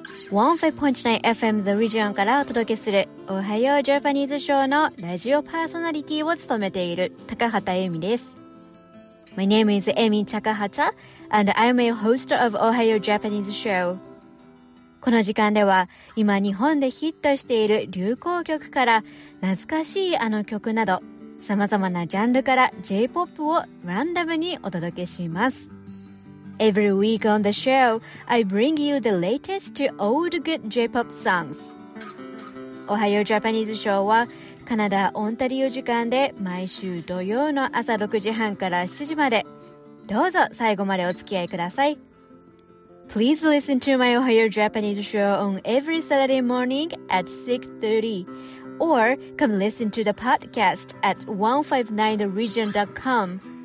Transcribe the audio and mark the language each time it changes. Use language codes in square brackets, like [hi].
[ja] 15.9 FM the region からお届けするおはようジャパニーズショーのラジオパーソナリティを務めている高畑恵美です。 [en] My name is Emi Takahata and I'm a host of Ohayo Japanese show. [ja] この時間では今日本でヒットしている流行曲から懐かしいあの曲など様々なジャンルから J-POP をランダムにお届けします。 [en] Every week on the show, I bring you the latest to old good J-POP songs. [ja] Ohayo Japanese Show はカナダ・オンタリオ時間で毎週土曜の朝6時半から7時まで。どうぞ最後までお付き合いください。 [en] Please listen to my Ohayo Japanese Show on every Saturday morning at 6:30. Or come listen to the podcast at 159theregion.com.